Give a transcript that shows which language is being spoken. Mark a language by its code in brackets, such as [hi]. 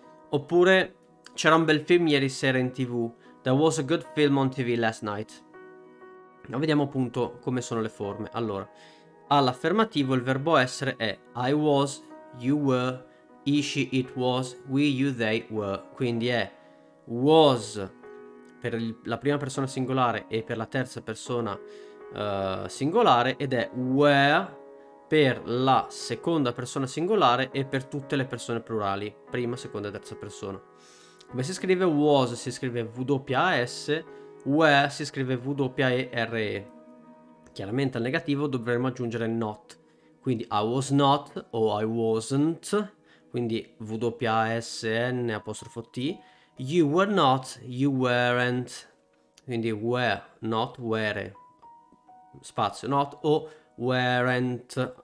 [it] Oppure c'era un bel film ieri sera in TV. [en] There was a good film on TV last night. [it] Ma vediamo appunto come sono le forme. Allora, all'affermativo il verbo essere è [en] I was, you were. He, she, it was, we, you, they were. [it] Quindi è was per la prima persona singolare e per la terza persona singolare ed è were per la seconda persona singolare e per tutte le persone plurali, prima, seconda e terza persona. Come si scrive was? Si scrive W-A-S, were si scrive W-E-R-E. Chiaramente al negativo dovremmo aggiungere not. [en] Quindi I was not o I wasn't. [it] Quindi WASN apostrofo T. [en] You were not, you weren't. Quindi were, not were. Spazio not o weren't.